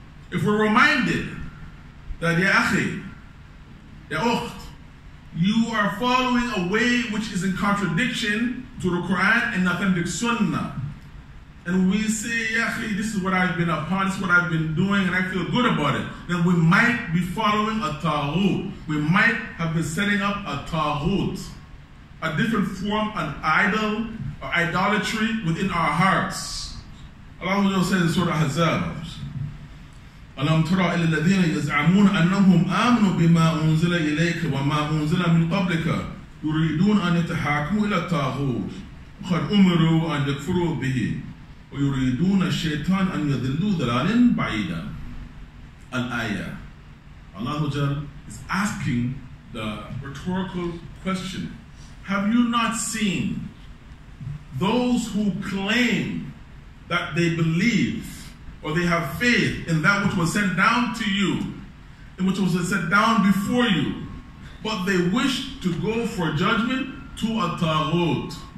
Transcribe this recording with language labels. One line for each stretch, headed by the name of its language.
English: If we're reminded that Ya Akhi, Ya Ukht, you are following a way which is in contradiction to the Quran and authentic Sunnah, and we say, Ya Akhi, this is what I've been upon, this is what I've been doing, and I feel good about it, then we might be following a ta'ud. We might have been setting up a ta'ud, a different form, an idol, or idolatry within our hearts. Allah says in Surah Ahzab,
Arabic: ألم ترى إلى الذين يزعمون أنهم آمنوا بما أنزل إليك وما أنزل من قبلك يريدون أن يتحاكموا إلى الطاغوت وقد أمروا أن يكفروا به ويريدون الشيطان أن يضلوا ضلالا بعيدا. الآية.
English: Allah is asking the rhetorical question. Have you not seen those who claim that they believe or they have faith in that which was sent down to you, in which was sent down before you, but they wish to go for judgment to a taghut,